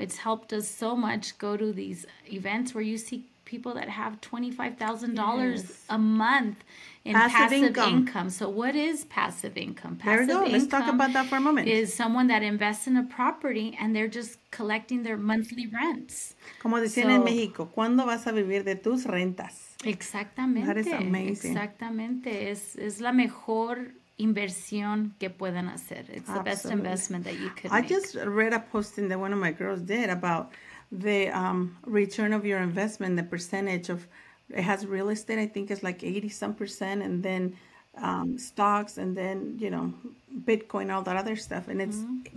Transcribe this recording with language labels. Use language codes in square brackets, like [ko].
[en] It's helped us so much go to these events where you see people that have $25,000 yes. a month in passive income. So what is passive income? Passive there we go. Income. Let's talk about that for a moment. Is someone that invests in a property and they're just collecting their monthly rents. [es] Como decían so, en México, ¿cuándo vas a vivir de tus rentas? Exactamente. [en] That is amazing. [es] Exactamente. Es la mejor inversión que pueden hacer. [en] It's absolutely. The best investment that you could I make. I just read a posting that one of my girls did about the return of your investment, the percentage of, it has real estate, I think it's like 80-some percent, and then stocks, and then, you know, Bitcoin, all that other stuff. And it's mm-hmm.